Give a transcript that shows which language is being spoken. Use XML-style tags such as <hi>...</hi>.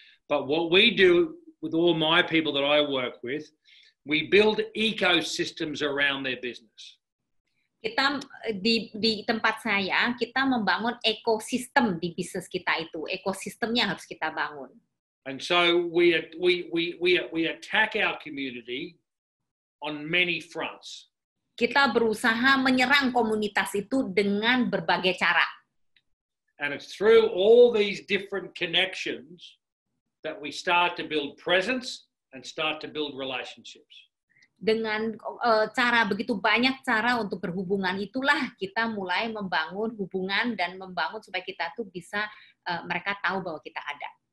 <en>But what we do with all my people that I work with, we build ecosystems around their business.</en> <id>Kita di tempat saya, kita membangun ekosistem di bisnis kita itu. Ekosistemnya harus kita bangun.</id> <en>And so we attack our community on many fronts.</en> <id>Kita berusaha menyerang komunitas itu dengan berbagai cara.</id> <en>And it's through all these different connections that we start to build presence and start to build relationships.</en> <id>Dengan cara begitu banyak cara untuk berhubungan itulah kita mulai membangun hubungan dan membangun supaya kita tuh bisa mereka tahu bahwa kita ada.</id>